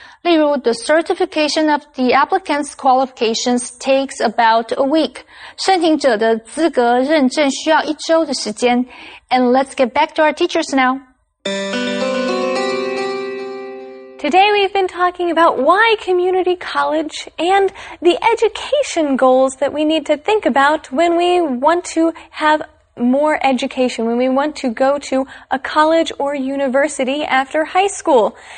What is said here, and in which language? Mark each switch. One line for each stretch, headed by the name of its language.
English: 例如 the certification of the applicant's qualifications takes about a week.
Chinese: 申请者的资格认证需要一周的时间。
English: And let's get back to our teachers now. Today we've been talking about why community college and the education goals that we need to think about when we want to have more education, when we want to go to a college or university after high school.